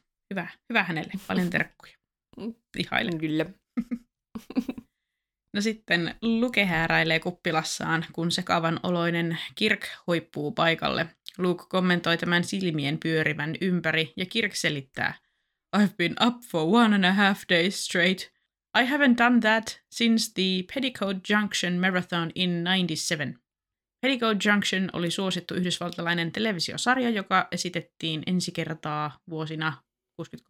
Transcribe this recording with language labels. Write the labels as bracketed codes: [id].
[fi] Hyvä. Hyvä hänelle. Paljon terkkuja. Ihailen. Kyllä. No sitten Luke hääräilee kuppilassaan, kun sekavan oloinen Kirk huippuu paikalle. Luke kommentoi tämän silmien pyörivän ympäri ja Kirk selittää. [en] I've been up for 1.5 days straight. I haven't done that since the Petticoat Junction Marathon in 97. [fi] Petticoat Junction oli suosittu yhdysvaltalainen televisiosarja, joka esitettiin ensi kertaa vuosina 63-70.